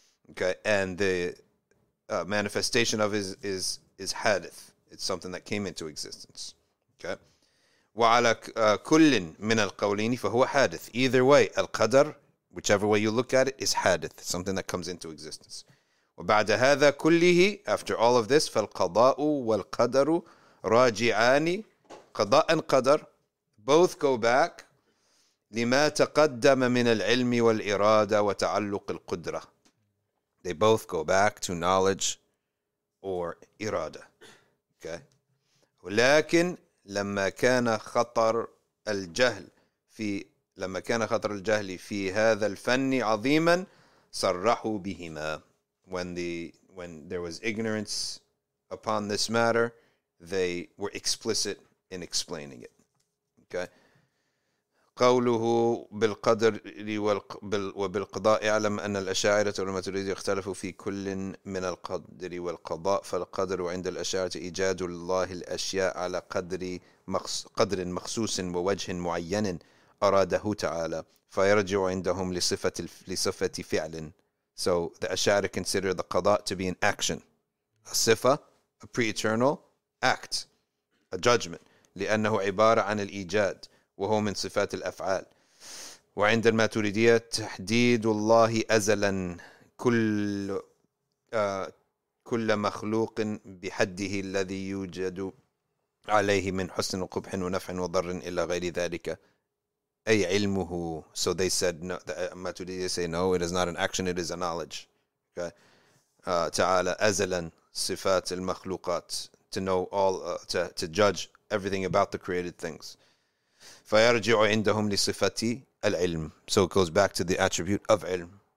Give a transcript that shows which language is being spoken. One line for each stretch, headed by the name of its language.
English: Okay. And the manifestation of His is hadith. It's something that came into existence. Okay.
Arabic: وَعَلَى كُلٍ مِنَ الْقَوْلِينِ فَهُوَ حَادِث.
English: Either way, al-qadr, whichever way you look at it, is hadith, something that comes into existence.
Arabic: وبعد هذا كله,
English: after all of this,
Arabic: فالقضاء والقدر راجعان, قضاء قدر,
English: both go back,
Arabic: لما تقدم من العلم والإرادة وتعلق القدرة.
English: They both go back to knowledge or إرادة. Okay.
Arabic: ولكن لما كان خطر الجهل في لما كان خطر الجهل في هذا الفن عظيما صرحوا بهما.
English: When there was ignorance upon this matter, they were explicit in explaining it. Okay.
Arabic: قوله بالقدر وبالقضاء اعلم ان الاشاعره والماتريدي اختلفوا في كل من القدر والقضاء. فالقدر عند الاشاعره ايجاد الله الاشياء على قدر مخصوص ووجه معين اراده تعالى, فيرجع عندهم لصفه فعل.
English: So the ashari consider the qada to be an action, a sifa, a pre-eternal act, a judgment,
Arabic: لانه عباره عن الايجاد وهو من صفات الأفعال. وعند الماتريدية تحديد الله أزلا كل مخلوق بحده الذي يوجد عليه من حسن وقبح ونفع وضر إلى غير ذلك أي علمه.
English: So they said no, the Maturidiyya say no, it is not an action, it is a knowledge.
Arabic: تعالى أزلا صفات المخلوقات,
English: to know all, to judge everything about the created things.
Arabic: فيرجع عندهم لصفة العلم.
English: So it goes back to the attribute of علم.